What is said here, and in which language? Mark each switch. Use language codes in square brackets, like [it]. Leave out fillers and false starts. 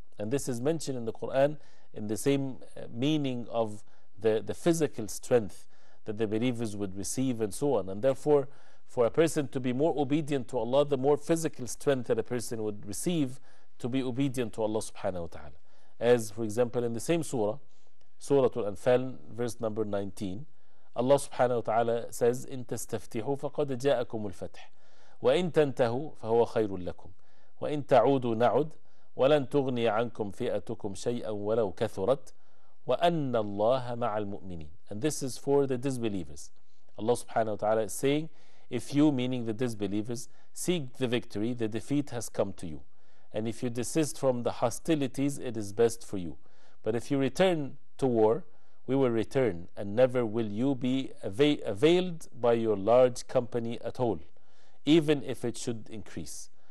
[en] And this is mentioned in the Quran in the same meaning of the physical strength that the believers would receive and so on. And therefore, for a person to be more obedient to Allah, the more physical strength that a person would receive to be obedient to Allah subhanahu wa ta'ala. As for example in the same surah, Surah Al-Anfal, verse number 19, Allah subhanahu wa ta'ala says, [ar] إِن تَسْتَفْتِحُوا فَقَدْ جَاءَكُمُ الْفَتْحِ وَإِن تَنْتَهُوا فَهُوَ خَيْرٌ لَكُمْ وَإِن تَعُودُوا نَعُدْ وَلَنْ تُغْنِيَ عَنْكُمْ فِئَتُكُمْ شَيْئًا وَلَوْ كَثُرَتْ وَأَنَّ اللَّهَ مَعَ الْمُؤْمِنِينَ. [en] And this is for the disbelievers. Allah subhanahu wa ta'ala is saying, if you, meaning the disbelievers, seek the victory, the defeat has come to you. And if you desist from the hostilities, it is best for you. But if you return to war, we will return, and never will you be availed by your large company at all, even if it should increase.